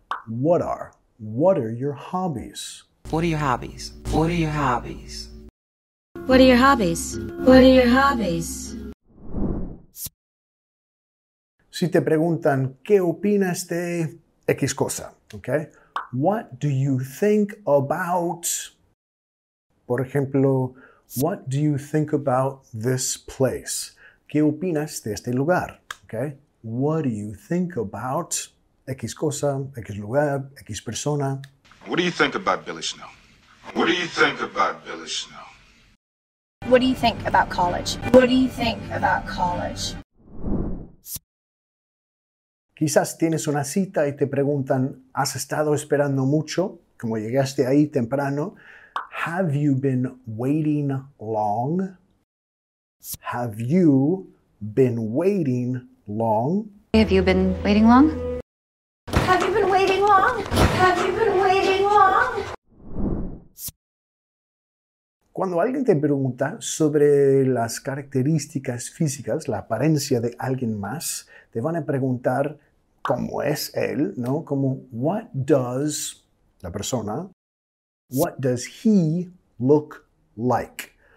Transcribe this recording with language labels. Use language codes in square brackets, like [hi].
[en] What are your hobbies? What are your hobbies? What are your hobbies? What are your hobbies? What are your hobbies? [es] Si te preguntan, ¿qué opinas de X cosa? [en] Okay? What do you think about? [es] Por ejemplo, [en] what do you think about this place? [es] ¿Qué opinas de este lugar? [en] Okay? What do you think about [es] X cosa, X lugar, X persona? [en] What do you think about Billy Snow? What do you think about Billy Snow? What do you think about college? What do you think about college? [es] Quizás tienes una cita y te preguntan, ¿has estado esperando mucho? Como llegaste ahí temprano. [en] Have you been waiting long? Have you been waiting long? Have you been waiting long? Have you been waiting long? Have you been waiting long? [es] Cuando alguien te pregunta sobre las características físicas, la apariencia de alguien más, te van a preguntar, ¿cómo es él? ¿No? [en] Como, what does [es] la persona, [en] what does he look like?